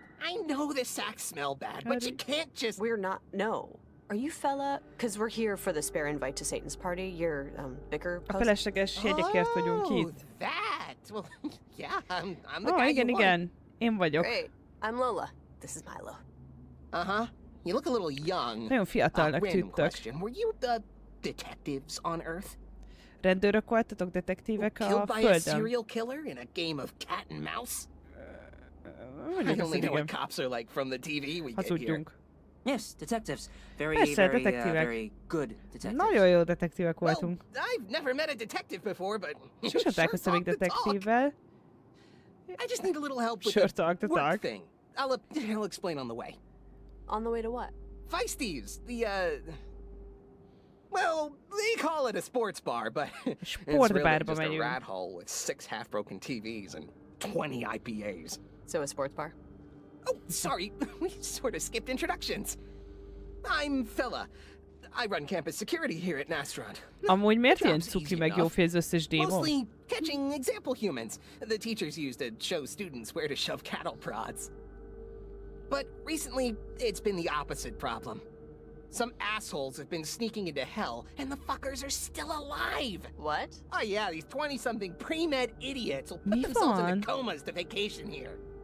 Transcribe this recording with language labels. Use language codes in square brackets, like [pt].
[en] I know the sacks smell bad, but you can't just... We're not... No. Are you fella? Because we're here for the spare invite to Satan's party. Your, bigger post. [hu] A felesleges jegyekért vagyunk itt. [en] Oh, that! Well, yeah, I'm the guy you want. [hu] Én vagyok. [en] Hey, I'm Lola. This is Milo. Uh-huh. You look a little young. [hu] Nagyon fiatalnak tűntök. [en] Question. Were you the detectives on Earth? [hu] Rendőrök voltatok, detektívek a Földön? [en] Killed by a serial killer in a game of cat and mouse? I only know what cops are like from the TV we get here. Yes, detectives. Very good detectives. [hu] Nagyon jó detektívek voltunk. [en] Well, I've never met a detective before, but you should talk the detektívvel. I just need a little help with the work thing. I'll explain on the way. On the way to what? Feisty's, well, they call it a sports bar, but it's really just a rat hole with 6 half-broken TVs and 20 IPAs. So a sports bar? Oh, sorry, we sort of skipped introductions. I'm Fella. I run campus security here at Nastrand. [hu] Amúgy miért ilyen cuki meg jó fész összes démon? [en] Mostly catching example humans. The teachers used to show students where to shove cattle prods. But recently, it's been the opposite problem. Some assholes have been sneaking into hell, and the fuckers are still alive! What? Oh yeah, these 20-something pre-med idiots will put themselves in comas to vacation here.